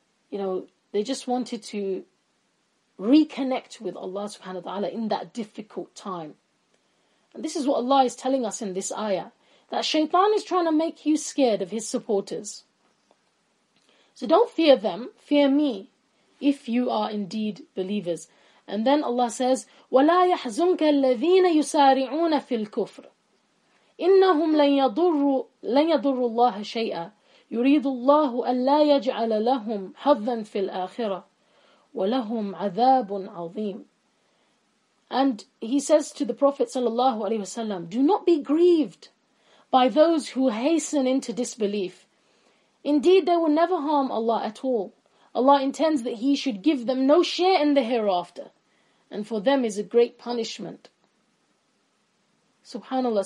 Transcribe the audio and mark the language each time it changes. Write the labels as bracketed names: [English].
[English] You know, they just wanted to reconnect with Allah subhanahu wa ta'ala in that difficult time. And this is what Allah is telling us in this ayah, that shaitan is trying to make you scared of his supporters. So don't fear them, fear me, if you are indeed believers. [Arabic] And then Allah says, وَلَا يَحْزُنْكَ الَّذِينَ يُسَارِعُونَ فِي الْكُفْرِ إِنَّهُمْ لَنْ يَضُرُّوا اللَّهَ شَيْئًا يُرِيدُ اللَّهُ أَلَّا يَجْعَلَ لَهُمْ حَظًّا فِي الْآخِرَةِ وَلَهُمْ عَذَابٌ عَظِيمٌ. [English] And he says to the Prophet sallallahu alaihi wasallam, do not be grieved by those who hasten into disbelief. Indeed, they will never harm Allah at all. Allah intends that He should give them no share in the hereafter, and for them is a great punishment. SubhanAllah.